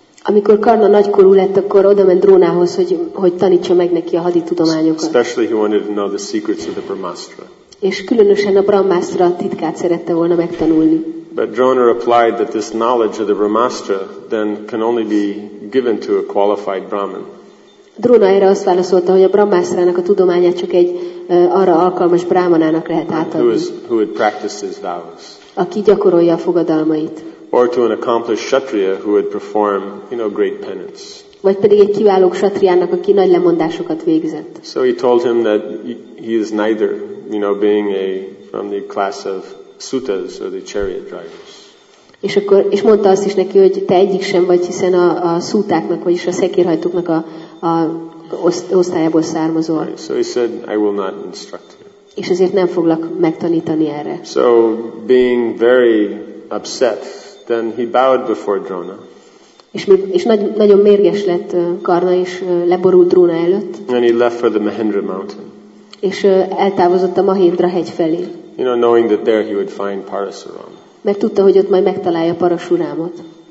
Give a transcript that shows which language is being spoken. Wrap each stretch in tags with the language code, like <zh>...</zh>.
<hu>Amikor Karna nagykorú lett, akkor odament Drónához, hogy tanítsa meg neki a haditudományokat.</hu> <en>Especially he wanted to know the secrets of the Brahmastra.</en> <hu>És különösen a Brahmastra titkát szerette volna megtanulni.</hu> <en>But Drona replied that this knowledge of the Brahmastra then can only be given to a qualified Brahmin.</en> <hu>Drona erre azt válaszolta, hogy a Brahmastrának a tudományát csak egy arra alkalmas brámanának lehet átadni.</hu> <en>Who would practice his vows.</en> <hu>Aki gyakorolja a fogadalmait.</hu> <en>Or to an accomplished kshatriya who would perform, you know, great penance.</en> <hu>Vagy pedig egy kiváló kshatriának, aki nagy lemondásokat végzett.</hu> <en>So he told him that he is neither, you know, being a from the class of sutas or the chariot drivers.</en> <hu>És mondta azt is neki, hogy te egyik sem vagy, hiszen a szútáknak, vagyis a szekérhajtóknak a osztályából származó.</hu> <en>So he said, I will not instruct you.</en> <hu>És ezért nem foglak megtanítani erre.</hu> <en>So being very upset, then he bowed before Drona.</en> <hu>És nagyon mérges lett Karna, és leborult Drona előtt.</hu> <en>And he left for the Mahendra mountain.</en> <hu>És eltávozott a Mahendra hegy felé.</hu> <en>You know, knowing that there he would find Parasuram.</en> <hu>Mert tudta, hogy ott majd megtalálja Parasurámot.</hu>